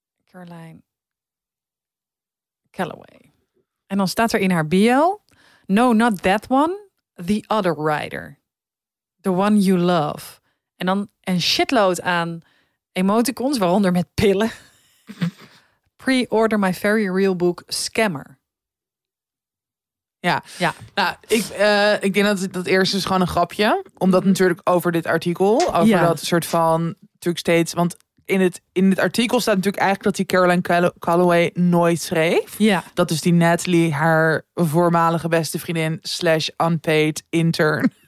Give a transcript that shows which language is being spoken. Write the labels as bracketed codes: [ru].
[nl] Caroline Calloway. En dan staat er in haar bio: [en] No, not that one. The other rider. The one you love. [nl] En dan een shitload aan emoticons, waaronder met pillen. [en] Pre-order my very real book, Scammer. [nl] Ja, ja. Nou, ik denk dat dat eerst is gewoon een grapje. Omdat natuurlijk over dit artikel, over ja. dat soort van, natuurlijk steeds, want in het artikel staat natuurlijk eigenlijk dat die Caroline Calloway nooit schreef. Ja. Dat is die Natalie, haar voormalige beste vriendin, / [en] unpaid intern.